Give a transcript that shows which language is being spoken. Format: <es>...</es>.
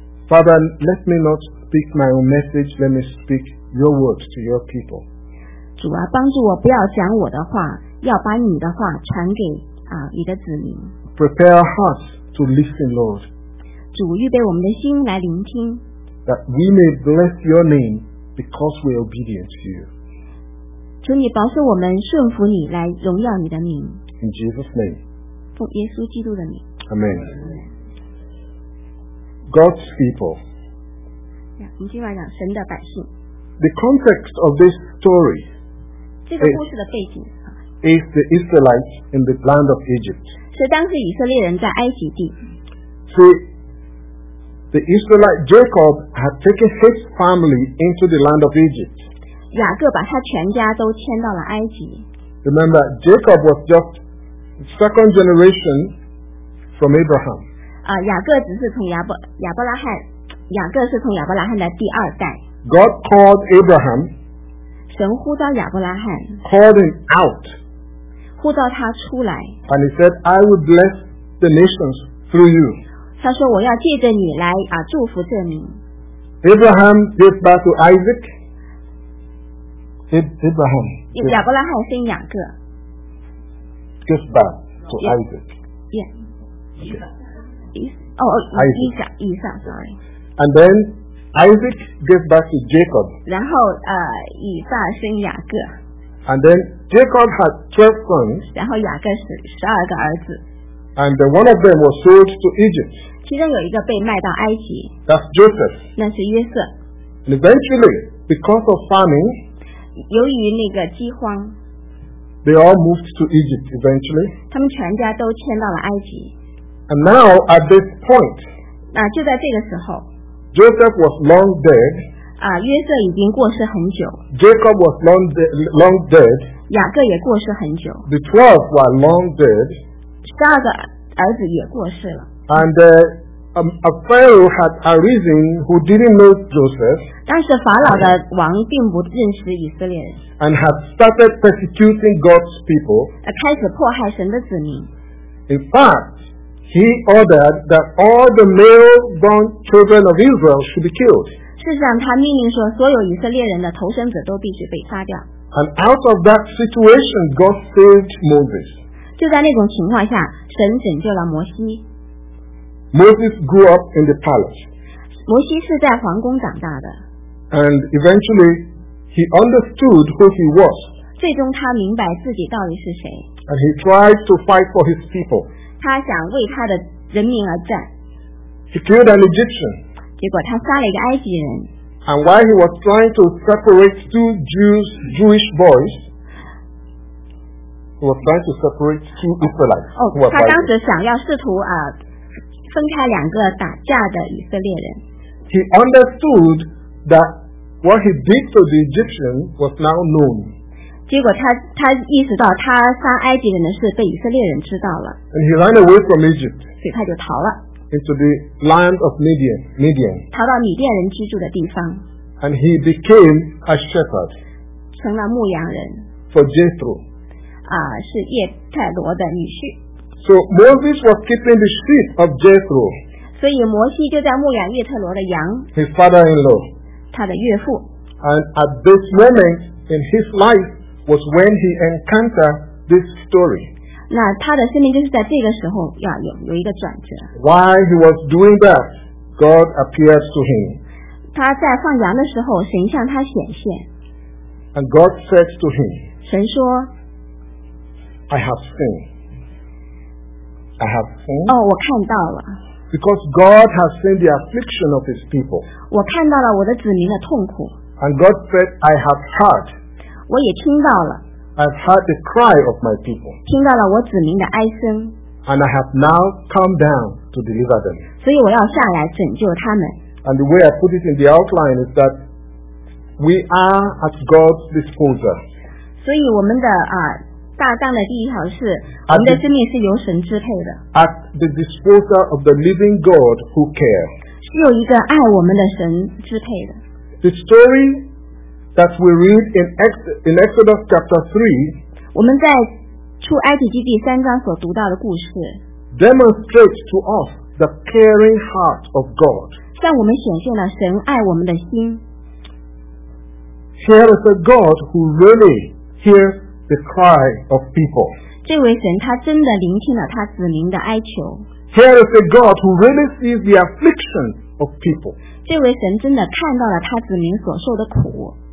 <en>Father, let me not speak my own message, let me speak your words to your people.</en> <zh>主啊，帮助我不要讲我的话，要把你的话传给你的子民。</zh> <en>Prepare our hearts to listen, Lord.</en> <zh>主，预备我们的心来聆听。</zh> <en>That we may bless your name because we are obedient to you.</en> <zh>求你保守我们顺服你，来荣耀你的名。</zh> <en>In Jesus' name.</en> <zh>奉耶稣基督的名。</zh> <en>Amen. God's people.</en> <zh>我们今晚讲神的百姓。</zh> <en>The context of this story.</en> <zh>这个故事的背景。</zh> <en>Is the Israelites in the land of Egypt.</en> <zh>是当时以色列人在埃及地。</zh> <en>See, the Israelite Jacob had taken his family into the land of Egypt.</en> <zh>雅各把他全家都迁到了埃及。</zh> <en>Remember, Jacob was just second generation from Abraham.</en> <zh>雅各只是从亚伯拉罕，雅各是从亚伯拉罕的第二代。</zh> <en>God called Abraham.</en> <zh>神呼召亚伯拉罕。</zh> <en>Called him out.</en> <zh>呼召他出来。</zh> <en>And he said, I will bless the nations through you.</en> <zh>他说我要借着你来祝福这民。</zh> <en>Abraham gave birth to Isaac. Abraham.</en> <zh>亚伯拉罕生雅各。</zh> <en>Gave birth to Isaac. Isaac, sorry. And then. Isaac gave birth to Jacob.</en> <zh>然后以撒生雅各。</zh> <en>And then Jacob had 12 sons.</en> <zh>然后雅各是12个儿子。</zh> <en>And then one of them was sold to Egypt.</en> <zh>其中有一个被卖到埃及。</zh> <en>That's Joseph.</en> <zh>那是约瑟。</zh> <en>And eventually, because of famine,</en> <zh>由于那个饥荒，</zh> <en>they all moved to Egypt eventually.</en> <zh>他们全家都迁到了埃及。</zh> <en>And now, at this point,</en> <zh>那就在这个时候，</zh> <en>Joseph was long dead.</en> <zh>约瑟已经过世很久。</zh> <en>Jacob was long dead.</en> <zh>雅各也过世很久。</zh> <en>The 12 were long dead.</en> <zh>十二个儿子也过世了。</zh> <en>And a Pharaoh had arisen who didn't know Joseph.</en> <zh>但是法老的王并不认识以色列人。</zh> <en>And had started persecuting God's people.</en> <zh>开始迫害神的子民。</zh> <en>In fact,He ordered that all the male-born children of Israel should be killed.</en> <zh>事实上，他命令说，所有以色列人的投生子都必须被杀掉。</zh> <en>And out of that situation, God saved Moses.</en> <zh>就在那种情况下，神拯救了摩西。</zh> <en>Moses grew up in the palace.</en> <zh>摩西是在皇宫长大的。</zh> <en>And eventually, he understood who he was.</en> <zh>最终，他明白自己到底是谁。</zh> <en>And he tried to fight for his people.</en> <zh>他想为他的人民而战。</zh> <en>He killed an Egyptian.</en> <zh>结果他杀了一个埃及人。</zh> <en>And while he was trying to separate two Jewish boys, he was trying to separate two Israelites.</en> <zh>他当时想要试图分开两个打架的以色列人。</zh> <en>He understood that what he did to the Egyptian was now known.</en> <zh>结果他意识到他杀埃及人的事被以色列人知道了。</zh> <en>And he ran away from Egypt.</en> <zh>所以他就逃了。</zh> <en>Into the land of Midian.</en> <zh>逃到米甸人居住的地方。</zh> <en>And he became a shepherd.</en> <zh>成了牧羊人。</zh> <en>For Jethro.</en> <zh>是叶特罗的女婿。</zh> <en>So Moses was keeping the sheep of Jethro.</en> <zh>所以摩西就在牧养叶特罗的羊。</zh> <en>His father-in-law.</en> <zh>他的岳父。</zh> <en>And at this moment in his life,was when he encountered this story.</en> <zh>那他的生命就是在这个时候要有一个转折。</zh> <en>While he was doing that, God appears to him.</en> <zh>他在放羊的时候，神向他显现。</zh> <en>And God says to him,</en> <zh>神说</zh> <en>I have seen. I have seen.</en> <zh>我看到了。</zh> <en>Because God has seen the affliction of his people.</en> <zh>我看到了我的子民的痛苦。</zh> <en>And God said, I have heard.</en> <zh>我也听到了。</zh> <en>I've heard the cry of my people.</en> <zh>听到了我子民的哀声。</zh> <en>And I have now come down to deliver them.</en> <zh>所以我要下来拯救他们。</zh> <en>And the way I put it in the outline is that we are at God's disposal.</en> <zh>所以我们的大纲的第一条是，我们的生命是由神支配的。</zh> <en>At the disposal of the living God who cares.</en> <zh>是由一个爱我们的神支配的。</zh> <en>The story that we read in Exodus chapter 3,</en> <zh>我们在出埃及记第三章所读到的故事</zh> <en>demonstrates to us the caring heart of God.</en> <zh>向我们显现了神爱我们的心。</zh> <en>Here is a God who really hears the cry of people.</en> <zh>这位神他真的聆听了他子民的哀求。</zh> <en>Here is a God who really sees the affliction of people.</en> <zh>这位神真的看到了他子民所受的苦。</zh>